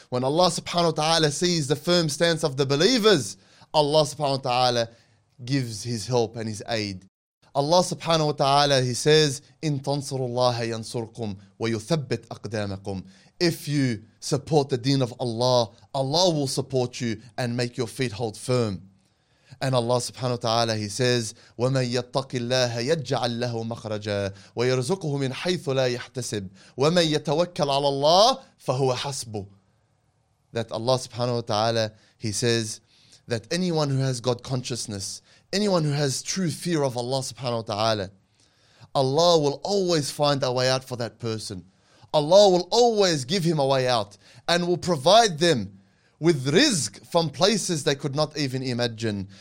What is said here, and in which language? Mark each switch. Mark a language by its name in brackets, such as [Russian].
[English] When Allah subhanahu wa ta'ala sees the firm stance of the believers, Allah subhanahu wa ta'ala gives His help and His aid. [Arabic] Allah subhanahu wa ta'ala, [English] He says, [Arabic] إِن تَنصُرُ اللَّهَ يَنصُرْكُمْ وَيُثَبِّتْ أَقْدَامَكُمْ. [English] If you support the deen of Allah, Allah will support you and make your feet hold firm. [Arabic] And Allah subhanahu wa ta'ala, [English] He says, [Arabic] وَمَنْ يَتَّقِ اللَّهَ يَجْعَلْ لَهُ مَخْرَجًا وَيَرْزُقُهُ مِنْ حَيْثُ لَا يَحْتَسِبْ وَمَنْ يَتَوَكَّلْ عَلَى اللَّهِ فَهُوَ حَسْبُ. [English] That Allah subhanahu wa ta'ala, He says, that anyone who has God consciousness, anyone who has true fear of Allah subhanahu wa ta'ala, Allah will always find a way out for that person. Allah will always give him a way out and will provide them with rizq from places they could not even imagine.